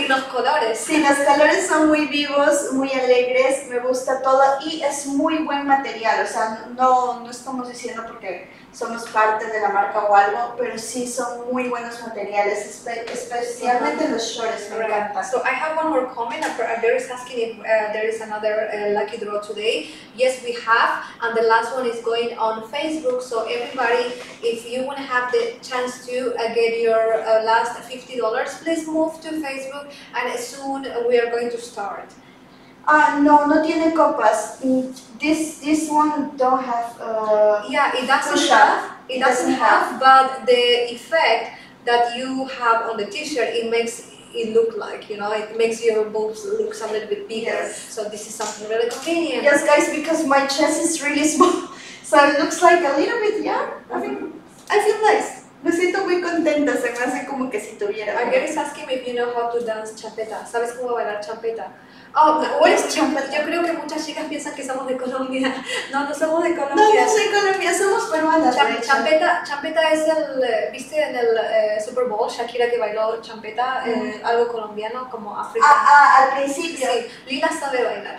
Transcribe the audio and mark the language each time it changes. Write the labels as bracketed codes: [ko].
[es] Y los colores. Sí, los colores son muy vivos, muy alegres, me gusta todo y es muy buen material. O sea, no, no estamos diciendo porque somos parte de la marca o algo, pero sí son muy buenos materiales, especialmente los shorts, me encantan. [en] So I have one more comment, and there is asking if there is another lucky draw today. Yes, we have, and the last one is going on Facebook. So everybody, if you want to have the chance to get your last $50, please move to Facebook, and soon we are going to start. [es] No, no tiene copas. [en] This one don't have. Yeah, it doesn't have. It doesn't have. But the effect that you have on the t-shirt, it makes it look like, you know, it makes your boobs look a little bit bigger. Yes. So this is something really convenient. Yes, guys, because my chest is really small, so it looks like a little bit. Yeah, I feel nice. [es] Me siento muy contenta, se me hace como que si tuviera. [en] I guess asking if you know how to dance champeta. [es] ¿Sabes cómo bailar champeta? [en] Oh, what is champeta? [es] Yo creo que muchas chicas piensan que somos de Colombia. No, no somos de Colombia. No, no soy Colombia, somos peruanas. Champeta es el, viste en el Super Bowl, Shakira que bailó champeta, algo colombiano, como africano. Ah, al principio. Sí, Lila sabe bailar.